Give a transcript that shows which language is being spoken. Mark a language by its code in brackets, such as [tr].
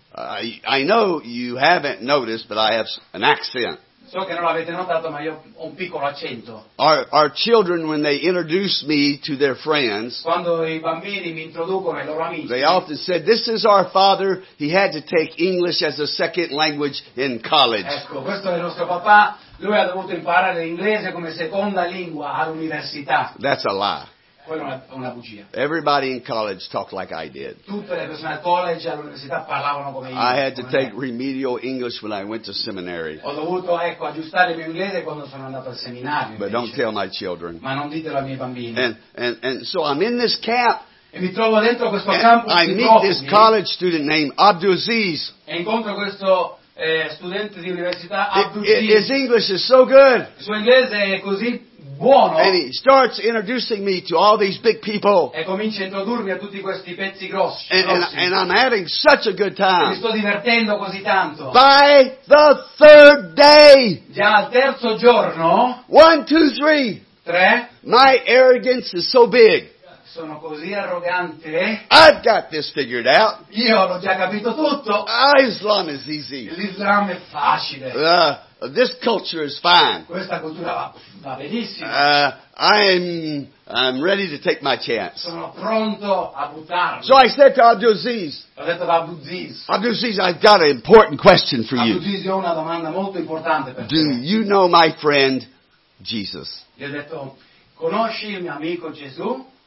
[en] I know you haven't noticed, but I have an accent. [it] So che non l'avete notato, ma io ho un piccolo accento. [en] Our children, when they introduce me to their friends, [it] quando i bambini mi introducono ai loro amici, [en] they often said, "This is our father. He had to take English as a second language in college." [it] Ecco, questo è il nostro papà. Lui ha dovuto imparare l'inglese come seconda lingua all'università. [en] That's a lie. [it] Quella è una bugia. [en] Everybody in college talked like I did. [it] Tutte le persone al college e all'università parlavano come io. [en] I had to take remedial English when I went to seminary. [it] Ho dovuto, ecco, aggiustare il mio inglese quando sono andato al seminario. [en] But don't tell my children. [it] Ma non ditelo ai miei bambini. [en] And so I'm in this camp. [it] E mi trovo dentro questo campus di profughi. [en] I meet this college student named Abdulaziz. [it] E incontro questo studente di università Abdulaziz. [en] His English is so good. [it] Il suo inglese è così buono. [en] And he starts introducing me to all these big people. [it] E comincia a introdurmi a tutti questi pezzi grossi. [en] And I'm having such a good time. [it] Mi sto divertendo così tanto. [en] By the third day. [it] Già al terzo giorno. [en] 1, 2, 3. [it] 3. [en] My arrogance is so big. [it] Sono così arrogante. [en] I've got this figured out. [it] Io l'ho già capito tutto. [en] Islam is easy. [it] L'Islam è facile. [en] This culture is fine. [it] Questa cultura va benissimo. [en] I'm ready to take my chance. [it] Sono pronto a buttarmi. [en] So I said to Abdulaziz. [it] Ho detto ad Abdulaziz. [en] Abdulaziz, I've got an important question for you. [it] Abdulaziz, ho una domanda molto importante per te. [en] Do you know my friend Jesus? [it] Gli ho detto, conosci il mio amico Gesù?